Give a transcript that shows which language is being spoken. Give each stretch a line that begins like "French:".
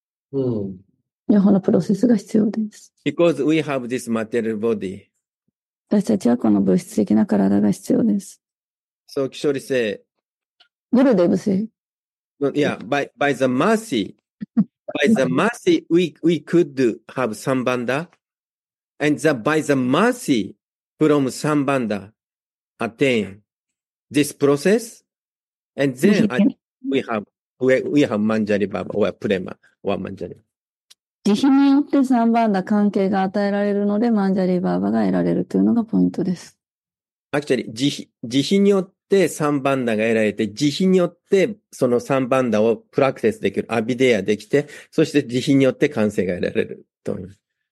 Japanese: 両方のプロセスが必要です。
English: Because we have this material body.
Japanese: 私たちはこの物質的な体が必要です。
English: So, Kishori said. Gurudev said. No, yeah, by the mercy, by the mercy, we could have Sambandha. And that by the mercy from Sambandha attain this process, and then we have Manjari Bhava or Prema or Manjari.
Japanese: 慈悲によってサンバンダ関係が与えられるので、マンジャリバーバが得られるというのがポイントです。 Actually, 慈悲によってサンバンダが得られて、慈悲によってそのサンバンダをプラクティスできる、アビデアできて、そして慈悲によって完成が得られると思います。